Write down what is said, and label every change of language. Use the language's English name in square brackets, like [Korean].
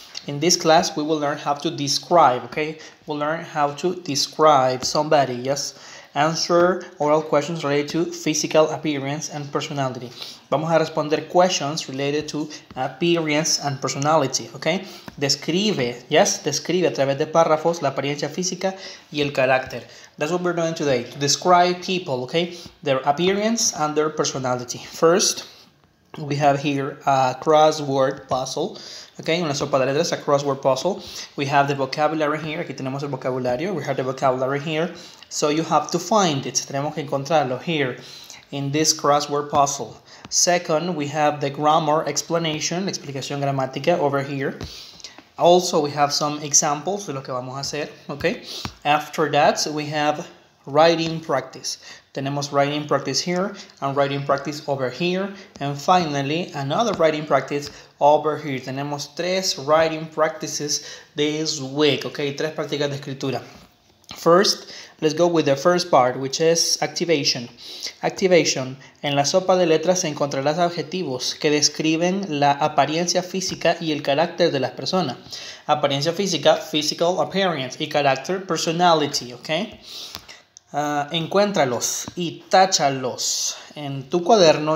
[English] In this class, we will learn how to describe, okay? We'll learn how to describe somebody, yes? Answer oral questions related to physical appearance and personality. [Spanish] Vamos a responder [English] questions related to appearance and personality, okay? Describe, yes? [Spanish] Describe a través de párrafos la apariencia física y el carácter. [English] That's what we're doing today, to describe people, okay? Their appearance and their personality. First, we have here a crossword puzzle. Okay, [Spanish] una sopa de letras, [English] a crossword puzzle. We have the vocabulary here. [Spanish] Aquí tenemos el vocabulario. [English] We have the vocabulary here. So you have to find it. [Spanish] Tenemos que encontrarlo [English] here in this crossword puzzle. Second, we have the grammar explanation, [Spanish] la explicación gramática [English] over here. Also, we have some examples [Spanish] de lo que vamos a hacer. [English] Okay, after that, we have writing practice. [Spanish] Tenemos [English] writing practice here and writing practice over here. And finally, another writing practice over here. [Spanish] Tenemos tres [English] writing practices this week. Okay, [Spanish] tres prácticas de escritura. [English] First, let's go with the first part, which is activation. Activation. [Spanish] En la sopa de letras se encontrarás adjetivos que describen la apariencia física y el carácter de las personas. Apariencia física, [English] physical appearance, [Spanish] y carácter, personality. Okay. Encuéntralos y táchalos en tu cuaderno.